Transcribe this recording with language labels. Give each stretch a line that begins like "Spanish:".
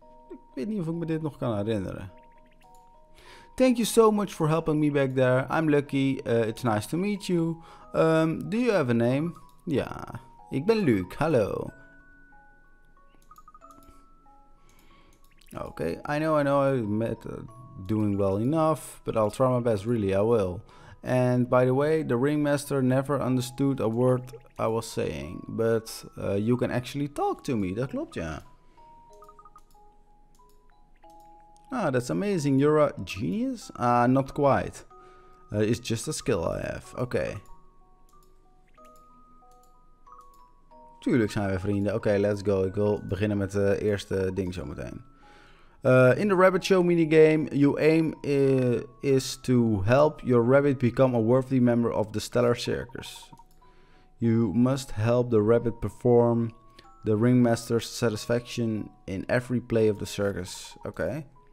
Dutch: Ik weet niet of ik me dit nog kan herinneren.
English: Thank you so much for helping me back there. I'm Lucky. It's nice to meet you. Do you have a name?
Dutch: Ja, ik ben Luc. Hallo.
English: Okay, I know, I'm doing well enough, but I'll try my best, really, I will. And by the way, the ringmaster never understood a word I was saying, but you can actually talk to me,
Dutch: dat klopt, ja.
English: Ah, that's amazing, you're a genius? Not quite. It's just a skill I have, okay.
Dutch: Tuurlijk zijn we vrienden,
English: okay, let's go.
Dutch: Ik wil beginnen met de eerste ding zo meteen.
English: In the Rabbit Show minigame, your aim is to help your rabbit become a worthy member of the Stellar Circus. You must help the rabbit perform the ringmaster's satisfaction in every play of the circus. Okay.